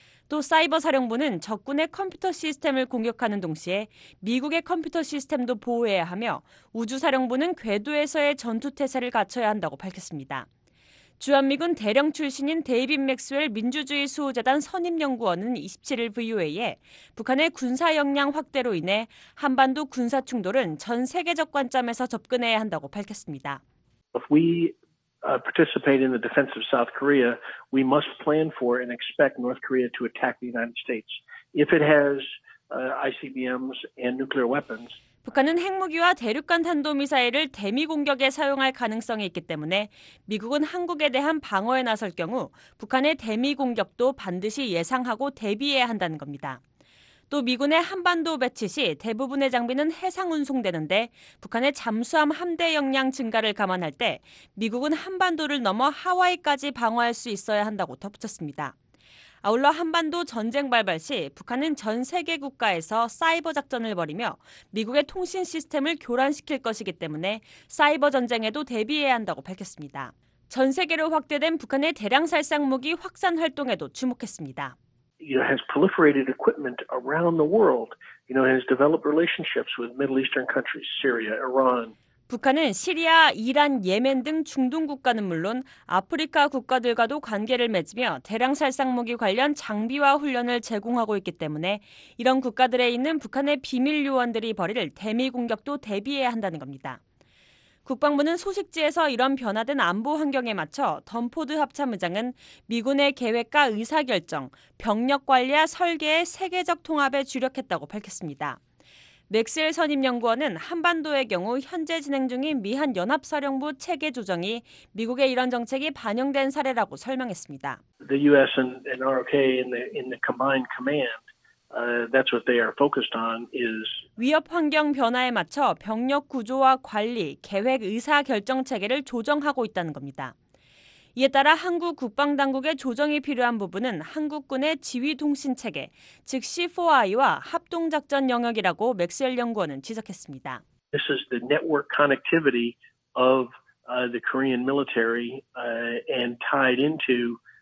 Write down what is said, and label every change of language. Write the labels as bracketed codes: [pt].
[ko] 또 사이버사령부는 적군의 컴퓨터 시스템을 공격하는 동시에 미국의 컴퓨터 시스템도 보호해야 하며 우주사령부는 궤도에서의 전투태세를 갖춰야 한다고 밝혔습니다. 주한미군 대령 출신인 데이빗 맥스웰 민주주의 수호재단 선임연구원은 27일 VOA에 북한의 군사 역량 확대로 인해 한반도 군사 충돌은 전 세계적 관점에서 접근해야 한다고 밝혔습니다. [en] If we participate in the defense of South Korea, we must plan for and expect North Korea to attack the United States. If it has ICBMs and nuclear weapons. [ko] 북한은 핵무기와 대륙간 탄도미사일을 대미 공격에 사용할 가능성이 있기 때문에 미국은 한국에 대한 방어에 나설 경우 북한의 대미 공격도 반드시 예상하고 대비해야 한다는 겁니다. 또 미군의 한반도 배치 시 대부분의 장비는 해상 운송되는데 북한의 잠수함 함대 역량 증가를 감안할 때 미국은 한반도를 넘어 하와이까지 방어할 수 있어야 한다고 덧붙였습니다. 아울러 한반도 전쟁 발발 시 북한은 전 세계 국가에서 사이버 작전을 벌이며 미국의 통신 시스템을 교란시킬 것이기 때문에 사이버 전쟁에도 대비해야 한다고 밝혔습니다. 전 세계로 확대된 북한의 대량 살상 무기 확산 활동에도 주목했습니다. [en] You know, has proliferated equipment around the world. You know, has developed relationships with Middle Eastern countries, Syria, Iran. [ko] 북한은 시리아, 이란, 예멘 등 중동 국가는 물론 아프리카 국가들과도 관계를 맺으며 대량 살상 무기 관련 장비와 훈련을 제공하고 있기 때문에 이런 국가들에 있는 북한의 비밀 요원들이 벌일 대미 공격도 대비해야 한다는 겁니다. 국방부는 소식지에서 이런 변화된 안보 환경에 맞춰 던포드 합참의장은 미군의 계획과 의사결정, 병력 관리와 설계의 세계적 통합에 주력했다고 밝혔습니다. 맥스웰 선임연구원은 한반도의 경우 현재 진행 중인 미한 연합사령부 체계 조정이 미국의 이런 정책이 반영된 사례라고 설명했습니다. [en] The US and ROK in the combined command, that's what they are focused on is [ko] 위협 환경 변화에 맞춰 병력 구조와 관리, 계획 의사 결정 체계를 조정하고 있다는 겁니다. 이에 따라 한국 국방당국의 조정이 필요한 부분은 한국군의 지휘통신체계, 즉 C4I와 합동작전 영역이라고 맥스웰 연구원은 지적했습니다. [en] This is the network connectivity of the Korean military and tied into